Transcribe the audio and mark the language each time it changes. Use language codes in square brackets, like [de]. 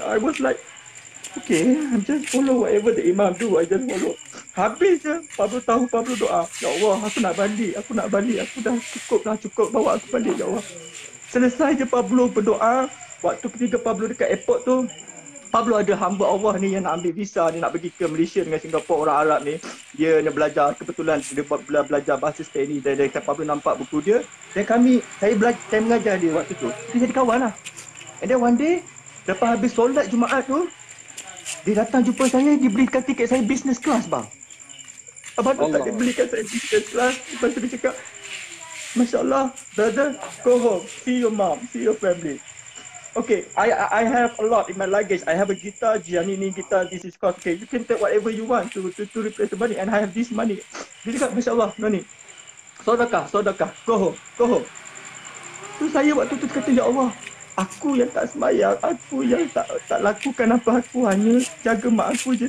[en] I was like, okay, I'm just follow whatever the imam do. I just follow. [ms] Habis je, Pablo tahu, Pablo doa. Ya Allah, aku nak balik. Aku dah cukup, bawa aku balik, ya Allah. Selesai je Pablo berdoa. Waktu ketiga Pablo dekat airport tu, Pablo ada hamba Allah ni yang nak ambil visa ni, nak pergi ke Malaysia dengan Singapura, orang Arab ni. Dia nak belajar, kebetulan dia belajar bahasa Spanish. Dari Pablo nampak buku dia. Dan kami, saya mengajar dia waktu tu. Dia jadi kawan lah. [en] And then one day, [ms] lepas habis solat Jumaat tu, dia datang jumpa saya, dia belikan tiket saya business class bang. Abang tu tak, dia belikan saya business class. Lepas tu dia cakap, Masya Allah, [en] brother, go home. See your mom, see your family. Okay, I have a lot in my luggage. I have a guitar, Giannini guitar, this is cost. Okay, you can take whatever you want to replace the money. And I have this money. [ms] Dia cakap, Masya Allah, money. Sodakah, [en] go home. [ms] So saya waktu tu kata, ya Allah, aku yang tak sembahyang, aku yang tak lakukan apa, aku hanya jaga mak aku je.